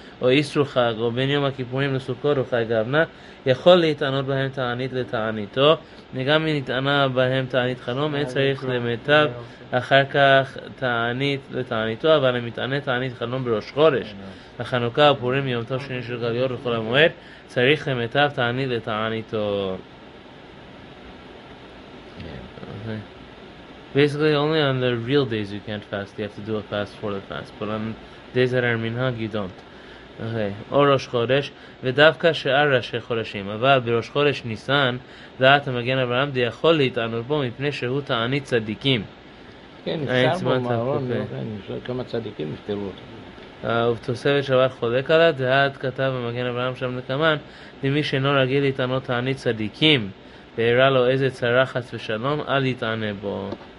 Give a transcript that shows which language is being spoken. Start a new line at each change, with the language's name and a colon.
Hebrew: או איסור חג, או בין יום הכיפורים לסוכות או חג אבנה, יכול להתענות בהם תענית לתעניתו, וגם אם נתענה בהם תענית חלום, אין צריך למיטב אחר כך תענית לתעניתו, אבל אם יתענה תענית חלום בראש חודש, בחנוכה הפורים יום טוב שני של גליות וכל המועד, צריך למיטב תענית לתעניתו.
English: Basically, only on the real days you can't fast. You have to do a fast for the fast. But on days that are minhag, you don't. Okay.
Hebrew: או ראש חודש, ודווקא שאר ראשי חודשים. אבל בראש חודש ניסן, דעת המגן אברהם, די יכול להתענות בו מפני שהוא תענית צדיקים. כן, נפטר בו מהרון, כמה צדיקים נפטרו אותו. ובתוספת שבת חולק עליו, דעת כתב המגן אברהם שם נקמן, למי שאינו רגיל להתענות תענית צדיקים, והראה לו איזה צרחת ושלום, אל יתענה בו.